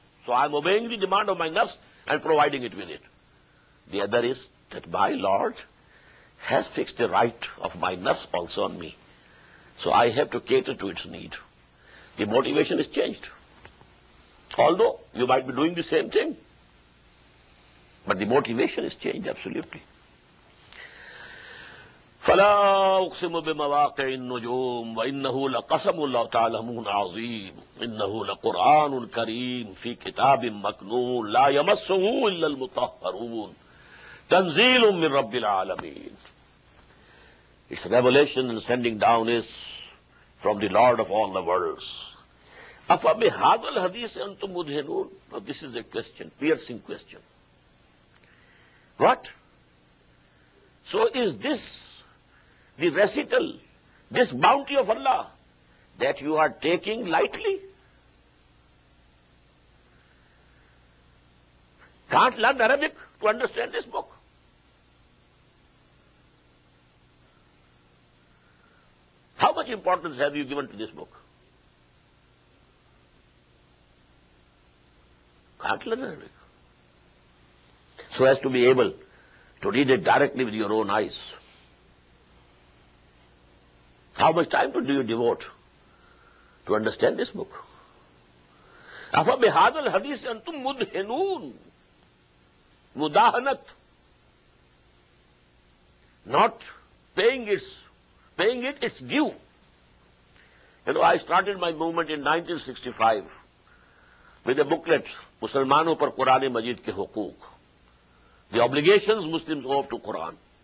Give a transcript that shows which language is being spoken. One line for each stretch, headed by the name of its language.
English: So I am obeying the demand of my nafs and providing it with it. The other is that my Lord has fixed the right of my nafs also on me. So I have to cater to its need. The motivation is changed. Although you might be doing the same thing, but the motivation is changed absolutely.
Arabic: فلا أقسم بمواقع النجوم وإنه لقسم لو تعلمون عظيم إنه لقرآن كريم في كتاب مكنون لا يمسه إلا المطهرون تنزيل من رب العالمين.
English: Its revelation and sending down is from the Lord of all the worlds.
Arabic: أفبهذا الحديث أنتم مدهنون.
English: Now this is a question, piercing question. What? So is this the recital, this bounty of Allah, that you are taking lightly? Can't learn Arabic to understand this book? How much importance have you given to this book? Can't learn Arabic. So as to be able to read it directly with your own eyes. How much time do you devote to understand this book?
Arabic: أفبهذا الحديث أنتم مدهنون.
English: مداهنت not paying its paying it its due. You know, I started my movement in 1965 with a booklet, Muslimano par Quran Majid ke huquq, the obligations Muslims owe to Quran.